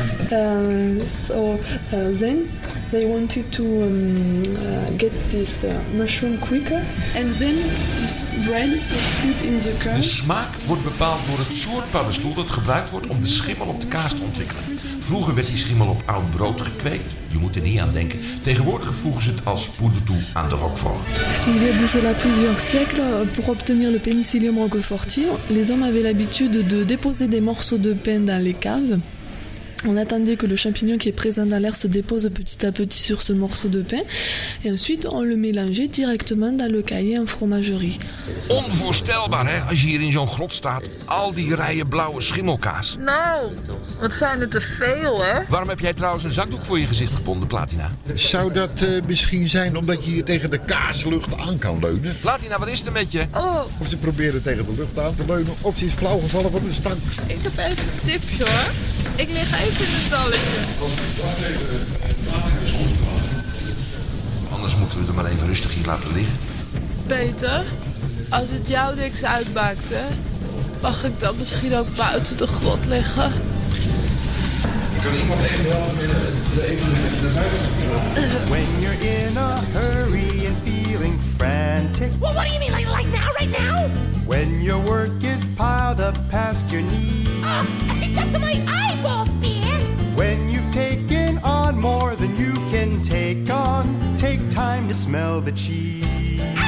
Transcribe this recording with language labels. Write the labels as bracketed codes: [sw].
[en] Then they wanted to get this mushroom quicker. And then this bread is put in the curd. [nl] De smaak wordt bepaald door het soort paddenstoel dat gebruikt wordt om de schimmel op de kaas te ontwikkelen. Vroeger werd die schimmel op oud brood gekweekt. Je moet er niet aan denken. Tegenwoordig voegen ze het als poeder toe aan de Roquefort. [fr] Il y a déjà plusieurs siècles pour obtenir le penicillium roquefortier, les hommes avaient l'habitude de déposer des morceaux de pain dans les caves. On attendait que le champignon qui est présent dans l'air se dépose petit à petit sur ce morceau de pain. Et ensuite, on le mélangeait directement dans le cahier en fromagerie. [nl] Onvoorstelbaar, hè, als je hier in zo'n grot staat. Al die rijen blauwe schimmelkaas. Nou, wat zijn er te veel, hè? Waarom heb jij trouwens een zakdoek voor je gezicht gebonden, Platina? Zou dat misschien zijn omdat je hier tegen de kaaslucht aan kan leunen? Platina, wat is er met je? Oh. Of ze proberen tegen de lucht aan te leunen, of ze is flauw gevallen van de stank. Ik heb even een tipje, hoor. Ik lig even in het stalletje. Anders moeten we het maar even rustig hier laten liggen. Peter, als het jou niks uitmaakt, hè, mag ik dan misschien ook buiten de grot liggen? Kan iemand even helpen met even naar buiten? [en] When you're in a hurry and feeling frantic. Well, what do you mean, like now, right now? When your work is piled up past your knees. Oh, it's up to my eyeballs, man. When you've taken on more than you can take on, take time to smell the cheese.